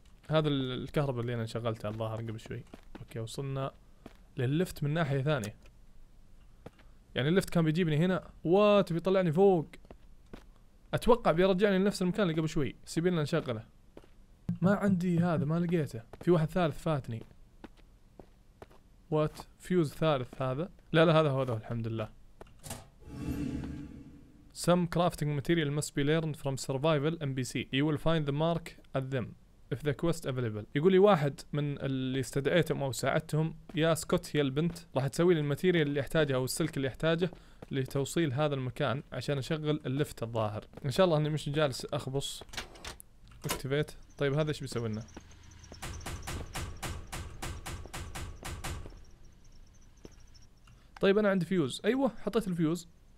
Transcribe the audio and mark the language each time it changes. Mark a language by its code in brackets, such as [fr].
[ar] هذا الكهرباء اللي انا شغلتها الظاهر قبل شوي. اوكي وصلنا لللفت من ناحية ثانية، يعني اللفت كان بيجيبني هنا وات بيطلعني فوق، اتوقع بيرجعني لنفس المكان اللي قبل شوي. سيبيلنا نشغله. ما عندي هذا، ما لقيته. في واحد ثالث فاتني. وات فيوز ثالث هذا؟ لا لا هذا هو، هذا الحمد لله. [en] Some crafting material must be learned from survival NPC. You will find the mark at them if the quest available. [ar] يقول لي واحد من اللي استدعيتهم او ساعدتهم، يا سكوت هي البنت، راح تسوي لي الماتيريال اللي احتاجها او السلك اللي احتاجه لتوصيل هذا المكان عشان اشغل اللفت الظاهر. ان شاء الله اني مش جالس اخبص. اكتيفيت. طيب هذا ايش بيسوي لنا؟ طيب انا عندي فيوز، ايوه حطيت الفيوز.